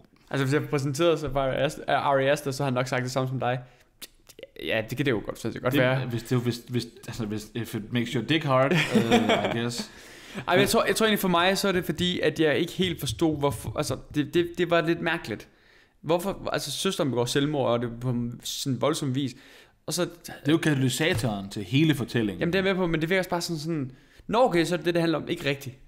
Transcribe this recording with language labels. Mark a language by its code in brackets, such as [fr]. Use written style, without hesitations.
[da] Altså, hvis jeg præsenterede sig for Ari Aster, så har han nok sagt det samme som dig. Ja, det kan det jo godt, synes jeg godt være. Hvis [en] if it makes your dick hard, I guess. [da] Ej, men jeg tror egentlig for mig, så er det fordi, at jeg ikke helt forstod, hvorfor, altså, det var lidt mærkeligt. Hvorfor, altså, søsteren begår selvmord, og det på sådan voldsom vis, og så... Det er jo katalysatoren til hele fortællingen. Jamen, det er med på, men det virker også bare sådan, nå, okay, så er det handler om, ikke rigtigt.